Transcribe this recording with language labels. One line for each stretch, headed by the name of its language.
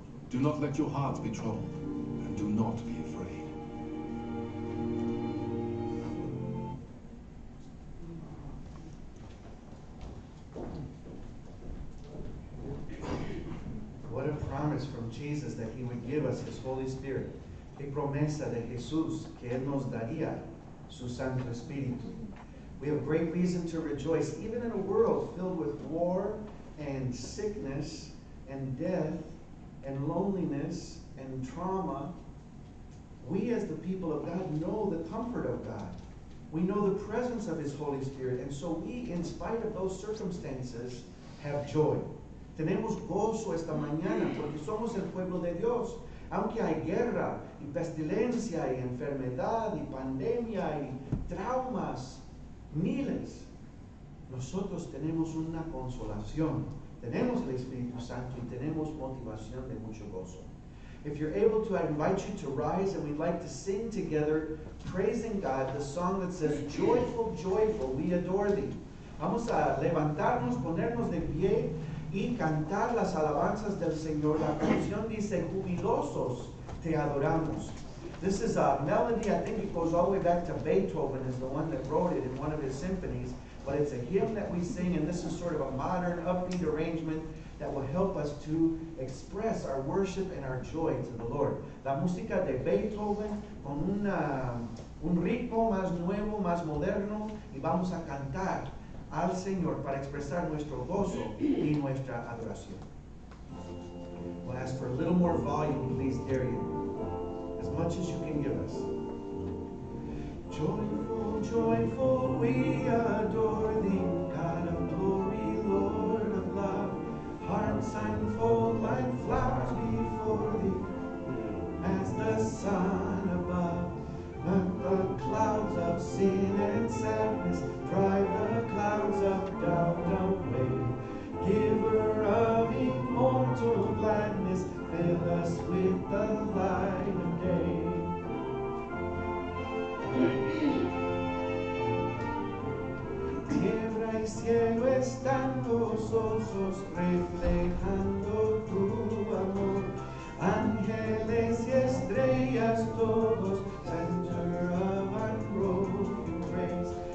English: Do not let your hearts be troubled. Do not be afraid. What a promise from Jesus that he would give us his Holy Spirit.
Spanish: Qué promesa de Jesús que él nos daría su Santo Espíritu.
English: We have great reason to rejoice, even in a world filled with war and sickness and death and loneliness and trauma. We as the people of God know the comfort of God. We know the presence of his Holy Spirit, and so we, in spite of those circumstances, have joy.
Spanish: Tenemos gozo esta mañana porque somos el pueblo de Dios. Aunque hay guerra, y pestilencia, y enfermedad, y pandemia, y traumas, miles, nosotros tenemos una consolación. Tenemos el Espíritu Santo y tenemos motivación de mucho gozo.
English: If you're able to, I invite you to rise, and we'd like to sing together, praising God, the song that says, "Joyful, joyful, we adore thee."
Spanish: Vamos a levantarnos, ponernos de pie, y cantar las alabanzas del Señor. La canción dice, "Jubilosos, te adoramos."
English: This is a melody, I think it goes all the way back to Beethoven, is the one that wrote it in one of his symphonies. But it's a hymn that we sing, and this is sort of a modern, upbeat arrangement that will help us to express our worship and our joy to the Lord.
Spanish: La música de Beethoven con un ritmo más nuevo, más moderno, y vamos a cantar al Señor para expresar nuestro gozo y nuestra adoración.
English: We'll ask for a little more volume, please, Darian. As much as you can give us. Joyful, joyful, we adore thee, God of glory, Lord of love. Hearts unfold like flowers before thee, as the sun above. Let the clouds of sin and sadness drive the clouds of doubt away. Giver of immortal gladness, fill us with the light of day.
Spanish: Tierra y cielo están gozosos reflejando tu amor. Ángeles y estrellas todos,
English: center of unbroken grace.